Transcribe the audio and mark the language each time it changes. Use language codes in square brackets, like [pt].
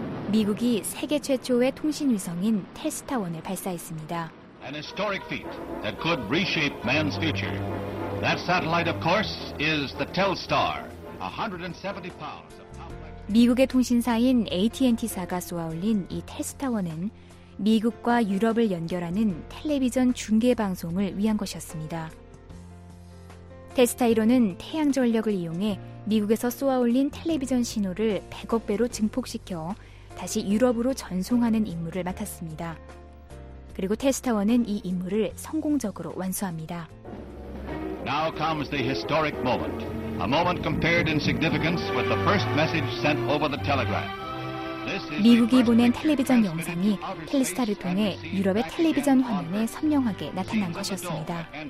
[ko] 미국이 세계 최초의 통신 위성인 테스타1을 발사했습니다. [en] An historic feat that could reshape man's future. That satellite, of course, is the Telstar. 170 pounds. [ko] 미국의 통신사인 AT&T사가 쏘아올린 이 테스타1은 미국과 유럽을 연결하는 텔레비전 중계 방송을 위한 것이었습니다. 테스타 1호는 태양 전력을 이용해 미국에서 쏘아올린 텔레비전 신호를 100억 배로 증폭시켜 다시 유럽으로 전송하는 임무를 맡았습니다. 그리고 테스타1은 이 임무를 성공적으로 완수합니다. [en] Now comes the historic moment. A moment compared in significance with the first message sent over the telegraph. [ko] 미국이 보낸 텔레비전 영상이 텔스타를 통해 유럽의 텔레비전 화면에 선명하게 나타난 것이었습니다.